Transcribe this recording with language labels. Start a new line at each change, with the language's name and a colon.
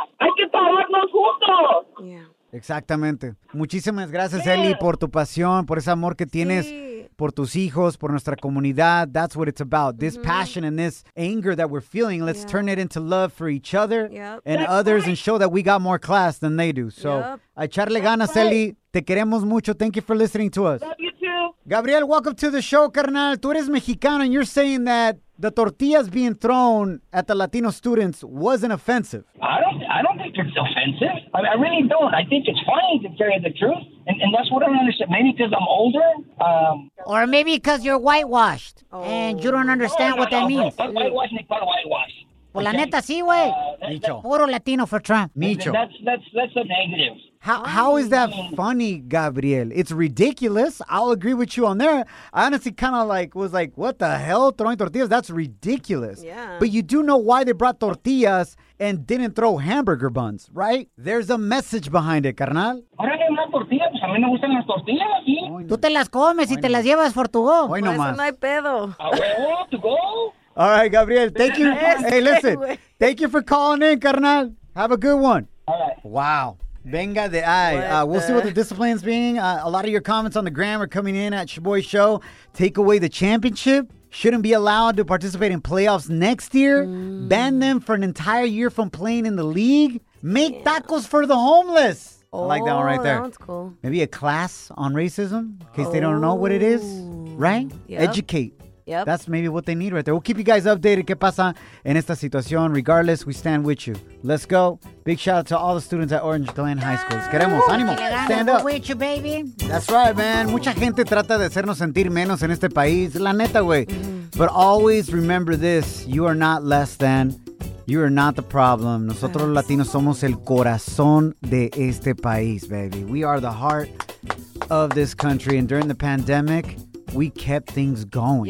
Spanish: Hay que pararnos juntos.
English: Yeah.
Spanish: Exactamente. Muchísimas gracias, Eli, por tu pasión, por ese amor que tienes. Sí. Por tus hijos, por nuestra comunidad.
English: That's what it's about. This passion and this anger that we're feeling, let's turn it into love for each other and That's others right. and show that we got more class than they do. So,
Spanish: echarle ganas,
English: right. Eli.
Spanish: Te queremos mucho.
English: Thank you for listening to us. Love you too. Gabriel, welcome to the show, carnal.
Spanish: Tú eres mexicano
English: and you're saying that the tortillas being thrown at the Latino students wasn't offensive. I don't think it's offensive. I really don't. I think it's fine to carry the truth. And that's what I don't understand. Maybe because I'm older. Or maybe because you're whitewashed and you don't understand what that means. Whitewashed.
Spanish: Pues la neta, sí, güey. Micho. Puro
English: Latino for Trump. Micho. That's a negative. How is that funny, Gabriel? It's ridiculous. I'll agree with you on there. I honestly kind of like was like, what the hell? Throwing tortillas? That's ridiculous. Yeah. But you do know why they brought tortillas and didn't throw hamburger buns, right? There's a message behind it, carnal.
Spanish: Ahora que no hay tortillas, pues a mí me gustan las tortillas, ¿sí? Tú te las comes y te las llevas
English: for tu go.
Spanish: Hoy no más. No hay pedo. A huevo, tu go.
English: All right, Gabriel, thank you. Hey, listen. Thank you for calling in, carnal. Have a good one. All right. Wow.
Spanish: Venga de ahí.
English: We'll see what the discipline's being. A lot of your comments on the gram are coming in at Shaboy Show. Take away the championship. Shouldn't be allowed to participate in playoffs next year. Mm. Ban them for an entire year from playing in the league. Make tacos for the homeless. Oh, I like that one right there. That one's cool. Maybe a class on racism in case they don't know what it is. Right? Yep. Educate. Yep. That's maybe what they need right there. We'll keep you guys updated.
Spanish: ¿Qué pasa en esta situación?
English: Regardless, we stand with you. Let's go. Big shout out to all the students at Orange Glen High School.
Spanish: Queremos, ánimo.
English: Stand up. With you, baby. That's right, man.
Spanish: Mucha gente trata de hacernos sentir menos en este país. La neta, güey.
English: But always remember this. You are not less than. You are not the problem.
Spanish: Nosotros Latinos somos el corazón de este país,
English: baby. We are the heart of this country. And during the pandemic, we kept things going.